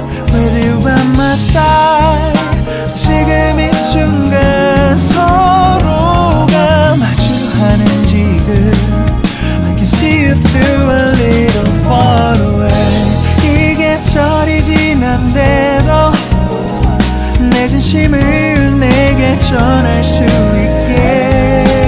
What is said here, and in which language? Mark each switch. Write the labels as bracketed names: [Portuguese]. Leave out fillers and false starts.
[English] With you by my side, [Korean] 지금 이 순간 서로가 마주하는 지금. [English] I can see you through a little far away. [Korean] 이 계절이 지난대도 진심을 내게 전할 수 있게.